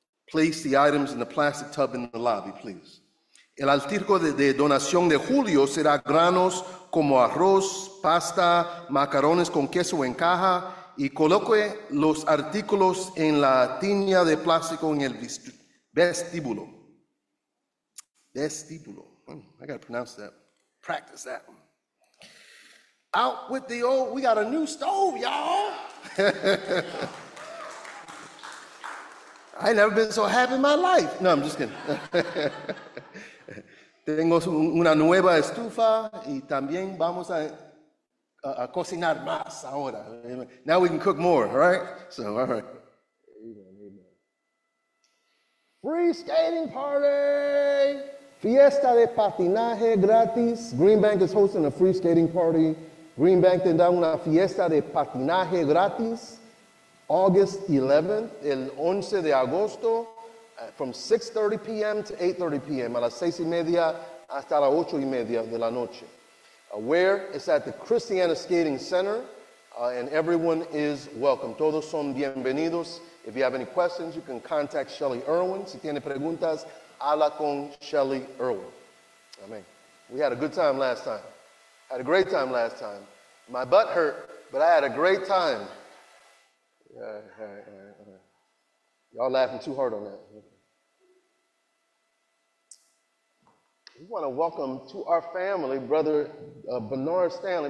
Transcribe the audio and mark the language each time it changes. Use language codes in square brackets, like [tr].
[en] Place the items in the plastic tub in the lobby, please. [es] El artículo de donación de julio será granos como arroz, pasta, macarrones con queso en caja, y coloque los artículos en la tina de plástico en el vestíbulo. [en] Vestíbulo. I got to pronounce that. Practice that one. Out with the old, we got a new stove, y'all. I never been so happy in my life. No, I'm just kidding. [es] Tengo una nueva estufa y también vamos a cocinar más ahora. [en] Now we can cook more, all right? So, all right. Free skating party! [es] Fiesta de patinaje gratis. [en] Green Bank is hosting a free skating party. [es] Green Bank tendrá una fiesta de patinaje gratis [en] August 11th, [es] el 11 de agosto, [en] from 6:30 p.m. to 8:30 p.m., [es] a las 6 y media hasta las 8 y media de la noche. [en] Where? It's at the Christiana Skating Center, and everyone is welcome. [es] Todos son bienvenidos. [en] If you have any questions, you can contact Shelly Irwin. [es] Si tiene preguntas, habla con Shelly Irwin. [en] Amen. We had a good time last time. I had a great time last time. My butt hurt, but I had a great time. All right. Y'all laughing too hard on that. Okay. We want to welcome to our family, Brother Bernard Stanley.